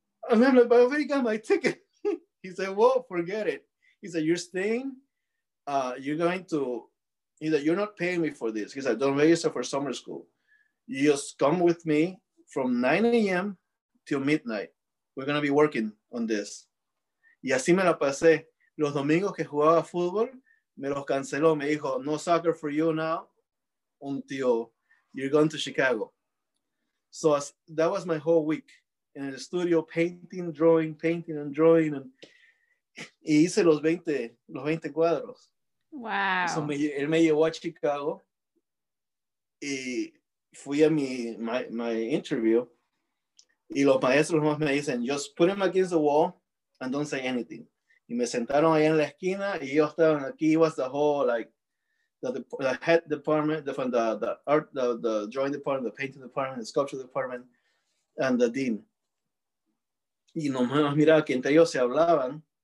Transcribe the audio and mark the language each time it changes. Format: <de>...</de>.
<en>And I'm like, but I already got my ticket. He said, well, forget it. He said, you're staying, you're going to. He said, you're not paying me for this. He said, don't register for summer school. You just come with me from 9 a.m. till midnight. We're going to be working on this.</en> <es>Y así me la pasé. Los domingos que jugaba fútbol, me los canceló. Me dijo,</es> <en>no soccer for you now until you're going to Chicago. So that was my whole week in the studio, painting and drawing.</en> <es>Y hice los 20 cuadros.</es> <en>Wow.</en> <es>So él me llevó a Chicago y fui a</es> <en>my interview</en> <es>y los maestros me dicen,</es> <en>just put him against the wall and don't say anything.</en> <es>Y me sentaron ahí en la esquina y yo estaba aquí,</es> <en>was the whole, like, the head department, the art, the drawing department, the painting department, the sculpture department, and the dean.</en> <es>Y nomás miraba que entre ellos se hablaban.</es>